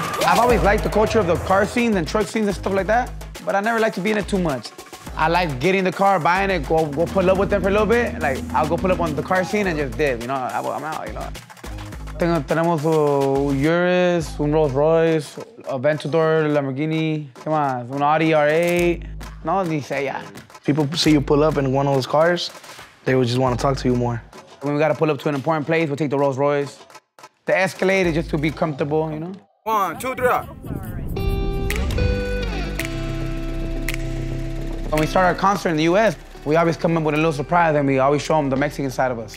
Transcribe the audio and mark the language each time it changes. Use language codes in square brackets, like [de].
[en] I've always liked the culture of the car scenes and truck scenes and stuff like that, but I never like to be in it too much. I like getting the car, buying it, go pull up with them for a little bit. Like, I'll go pull up on the car scene and just dip, you know? I'm out, you know? [es] Tenemos a Urus, un Rolls Royce, a Aventador, Lamborghini, ¿qué más? Un Audi R8. No, ni sé ya. [en] people see you pull up in one of those cars, they would just want to talk to you more. When we got to pull up to an important place, we'll take the Rolls Royce. The Escalade is just to be comfortable, you know? One, two, three. When we start our concert in the U.S., we always come up with a little surprise and we always show them the Mexican side of us.